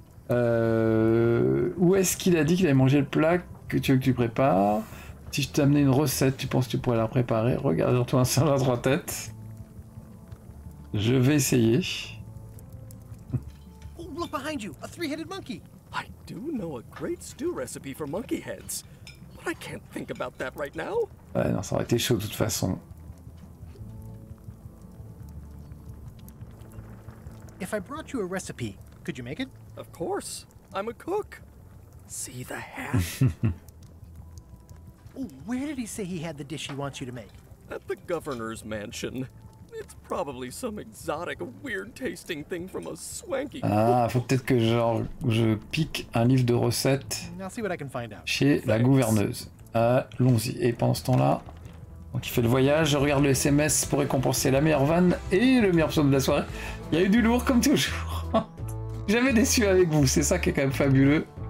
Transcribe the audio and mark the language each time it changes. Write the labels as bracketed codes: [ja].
[fr] Où est-ce qu'il a dit qu'il allait manger le plat que tu veux que tu prépares? Si je t'amenais une recette, tu penses que tu pourrais la préparer? Regarde sur toi un singe à trois têtes. Je vais essayer. [en] Oh, look behind you, a three-headed monkey. I do know a great stew recipe for monkey heads, but I can't think about that right now. [fr] Ouais, non, ça aurait été chaud de toute façon. [en] If I brought you a recipe, could you make it? Of course, I'm a cook. See the hat? Where did he say he had the dish he wants you to make? At the governor's mansion. It's probably some exotic, weird-tasting thing from a swanky. [fr] Ah, faut peut-être que je pique un livre de recettes. [en] I'll see what I can find out. [fr] Chez la gouverneuse. Allons-y. Et pendant ce temps-là, donc il fait le voyage. Je regarde le SMS pour récompenser la meilleure vanne et le meilleur pseudo de la soirée. Il y a eu du lourd comme toujours. Jamais déçu avec vous, c'est ça qui est quand même fabuleux.